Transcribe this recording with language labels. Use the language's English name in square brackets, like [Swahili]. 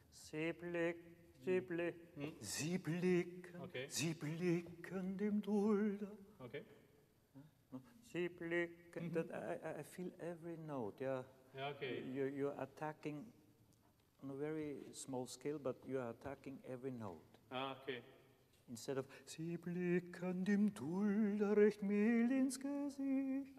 [German] Sie blicken, sie blicken, sie blicken, [English] okay. [German] Sie blicken dem Dulder. [English] Okay. [German] Sie blicken, [English] I feel every note. Yeah. Yeah, okay. You're attacking on a very small scale, but you're attacking every note. Ah, okay. Instead of, [German] sie blicken dem Dulder recht mild ins Gesicht.